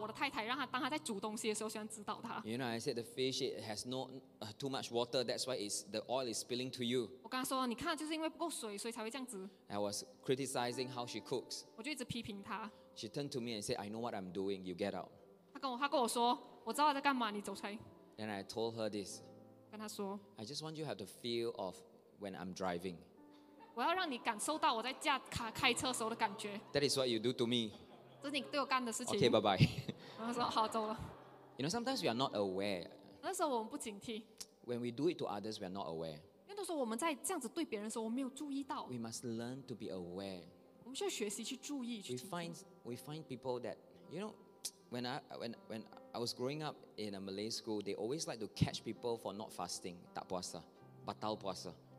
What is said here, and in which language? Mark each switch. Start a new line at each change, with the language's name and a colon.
Chinese: 有，我记得以前我曾经喜欢在指导我的太太，让她当她在煮东西的时候喜欢指导她。
English: You know, I said the fish it has no too much water. That's why the oil is spilling to you.
Chinese: 我跟她说，你看，就是因为不够水，所以才会这样子。
English: I was criticizing how she cooks.
Chinese: 我就一直批评她。
English: She turned to me and said, "I know what I'm doing. You get out."
Chinese: 她跟我说，我知道我在干嘛，你走开。
English: Then I told her this.
Chinese: 跟她说。
English: I just want you to have the feel of when I'm driving.
Chinese: 我要让你感受到我在驾车时候的感觉。
English: That is what you do to me.
Chinese: 这是你对我干的事情。
English: Okay, bye bye.
Chinese: 然后说好走了。
English: You know, sometimes we are not aware.
Chinese: 那时候我们不警惕。
English: When we do it to others, we are not aware.
Chinese: 因为那时候我们在这样子对别人的时候，我们没有注意到。
English: We must learn to be aware.
Chinese: 我们需要学习去注意。
English: We find people that, you know, when I was growing up in a Malay school, they always like to catch people for not fasting,
Malay: tak puasa, batal puasa.